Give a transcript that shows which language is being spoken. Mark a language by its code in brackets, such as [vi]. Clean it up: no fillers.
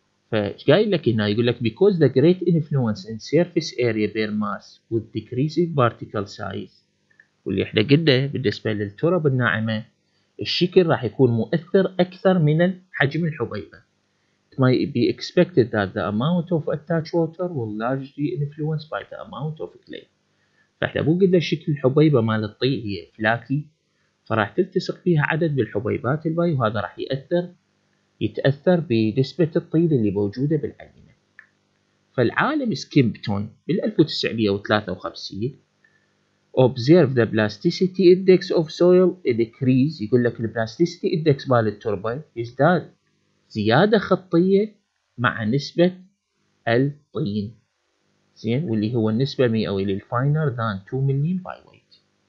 [ar] فايش قايل لك هنا يقول لك [en] because the great influence in surface area bare mass with decreasing particle size [ar] واللي احنا قلنا بالنسبة للتراب الناعمة الشكل راح يكون مؤثر اكثر من حجم الحبيبة. [en] It might be expected that the amount of attached water will largely influence by the amount of clay. [ar] فاحنا مو قلنا شكل الحبيبة مال الطين هي فلاكي فراح تلتصق فيها عدد بالحبيبات الماي وهذا راح يتأثر بنسبة الطين اللي موجودة بالعينة. فالعالم سكيمبتون بال 1953 [en] observed the plasticity index of soil decrease [ar] يقول لك البلاستيسيتي اندكس مال التربة يزداد زيادة خطية مع نسبة الطين زين واللي هو النسبة المئوية للفاينر than 2 million by weight.